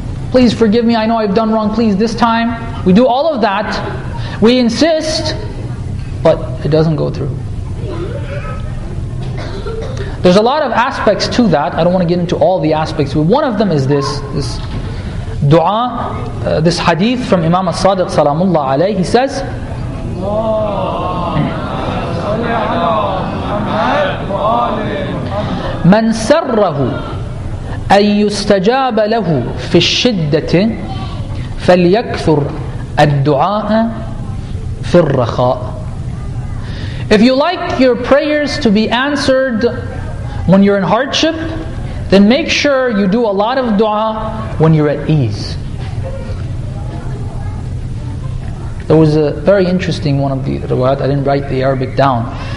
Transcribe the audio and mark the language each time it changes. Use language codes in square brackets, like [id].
[en] Please forgive me. I know I've done wrong. Please, this time. We do all of that. We insist, but it doesn't go through. There's a lot of aspects to that. I don't want to get into all the aspects, but one of them is this dua, this hadith from Imam As-Sadiq salamullah alayhi. He says, [ar] من سره أن يستجاب له في الشدة فليكثر الدعاء في الرخاء. [en] If you like your prayers to be answered when you're in hardship, then make sure you do a lot of dua when you're at ease. There was a very interesting one of the riwayat. I didn't write the Arabic down.